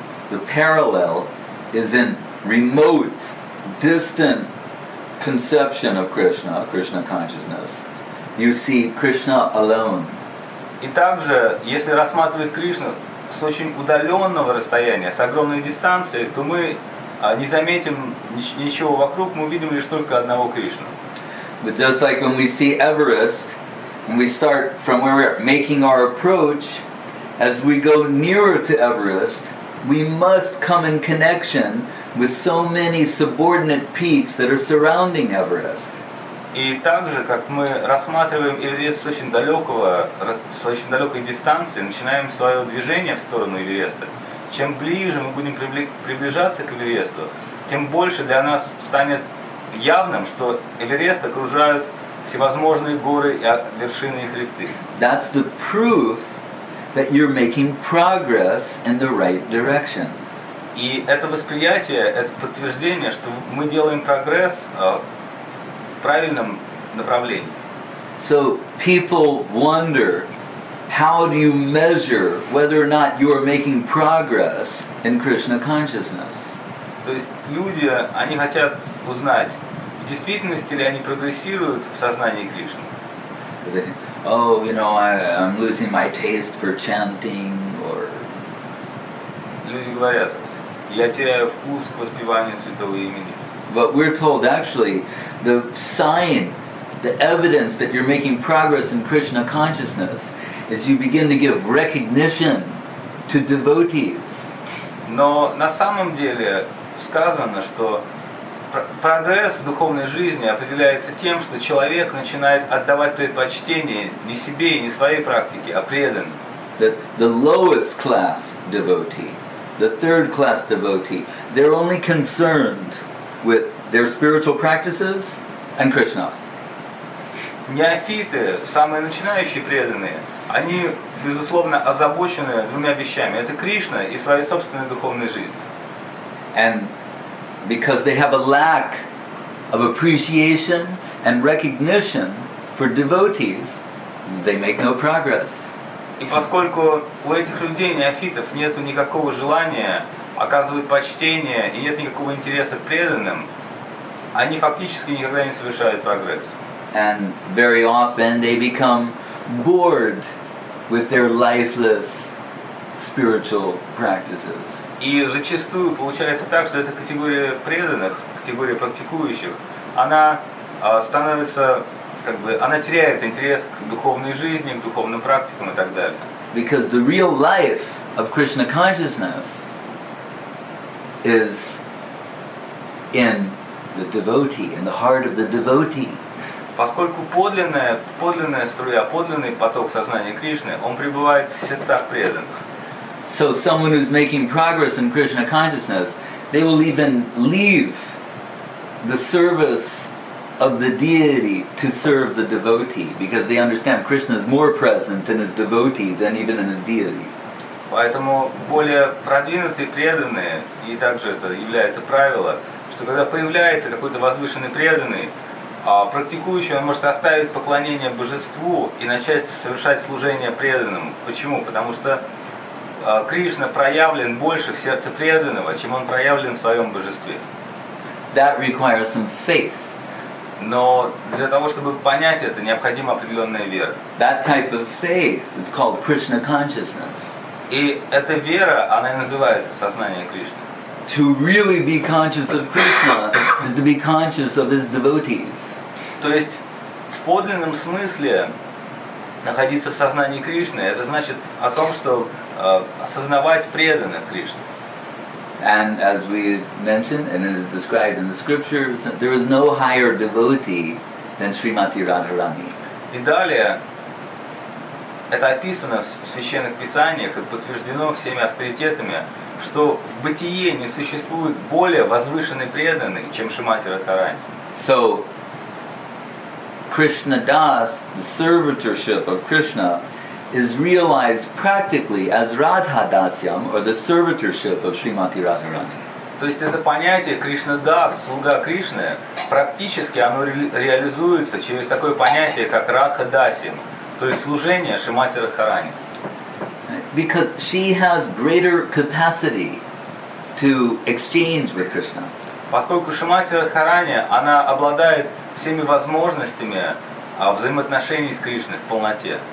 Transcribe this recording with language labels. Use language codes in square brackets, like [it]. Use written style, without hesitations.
[en] The parallel is in remote, distant conception of Krishna, Krishna consciousness. You see Krishna alone. [ru] И также, если рассматривать Кришну с очень удаленного расстояния, с огромной дистанции, то мы не заметим ничего вокруг, мы видим лишь только одного Кришну. [en] But just like when we see Everest, and we start from where we're making our approach, as we go nearer to Everest, we must come in connection with so many subordinate peaks that are surrounding Everest. [ru] И также, как мы рассматриваем Эверест с очень далекой дистанции, начинаем свое движение в сторону Эвереста. Чем ближе мы будем приближаться к Эвересту, тем больше для нас станет явным, что Эверест окружают всевозможные горы и вершины и хребты. [en] That's the proof that you're making progress in the right direction. [ru] И это восприятие, это подтверждение, что мы делаем прогресс в правильном направлении. [en] So people wonder, how do you measure whether or not you are making progress in Krishna consciousness? [ru] То есть люди, они хотят узнать, в действительности ли они прогрессируют в сознании Кришны. [en] Oh, you know, I'm losing my taste for chanting, or... [ru] Люди говорят, я теряю вкус к воспеванию святого имени. [en] But we're told, actually, the sign, the evidence that you're making progress in Krishna consciousness is you begin to give recognition to devotees. [ru] Но на самом деле сказано, что прогресс в духовной жизни определяется тем, что человек начинает отдавать предпочтение не себе и не своей практике, а преданным. [en] The lowest class devotee, the third class devotee, they're only concerned with their spiritual practices and Krishna. [ru] Неофиты, самые начинающие преданные, они, безусловно, озабочены двумя вещами. Это Кришна и своей собственной духовной жизнью. [en] And because they have a lack of appreciation and recognition for devotees, they make no progress. [ru] И поскольку у этих людей, неофитов, нету никакого желания оказывать почтение и нет никакого интереса к преданным, они фактически никогда не совершают прогресс. [en] And very often they become bored with their lifeless spiritual practices. [ru] И зачастую получается так, что эта категория преданных, категория практикующих, она становится, как бы, она теряет интерес к духовной жизни, к духовным практикам и так далее. [en] Because the real life of Krishna consciousness is in the devotee, in the heart of the devotee. [ru] Поскольку подлинная струя, подлинный поток сознания Кришны, он пребывает в сердцах преданных. [en] So someone who's making progress in Krishna consciousness, they will even leave the service of the deity to serve the devotee, because they understand Krishna is more present in his devotee than even in his deity. [ru] Поэтому более продвинутые преданные, и также это является правило, что когда появляется какой-то возвышенный преданный, практикующий, он может оставить поклонение божеству и начать совершать служение преданным. Почему? Потому что Кришна проявлен больше в сердце преданного, чем он проявлен в своем божестве. [en] That requires some faith. [ru] Но для того, чтобы понять это, необходима определенная вера. [en] That type of faith is called Krishna consciousness. [ru] И эта вера, она и называется сознание Кришны. [en] To really be conscious of Krishna is to be conscious of his devotees. [ru] То есть в подлинном смысле находиться в сознании Кришны, это значит о том, что осознавать преданных Кришны. [en] And as we mentioned, and it is described in the scriptures, there is no higher devotee than Srimati Radharani. [ru] И далее, это описано в священных писаниях и подтверждено всеми авторитетами, что в бытие не существует более возвышенной преданной, чем Шримати Радхарани. [en] So, Krishna Das, the servitorship of Krishna, is realized practically as Radha Dasyam, or the servitorship of Srimati Radharani. [ru] То есть это понятие Кришна Дас, слуга Кришны, практически оно реализуется через такое понятие, как Радха Дасьям, то есть служение Шримати Радхарани. [en] Because she has greater capacity to exchange with Krishna. [ru] Поскольку Шримати Радхарани, она обладает всеми возможностями взаимоотношений с Кришной в полноте.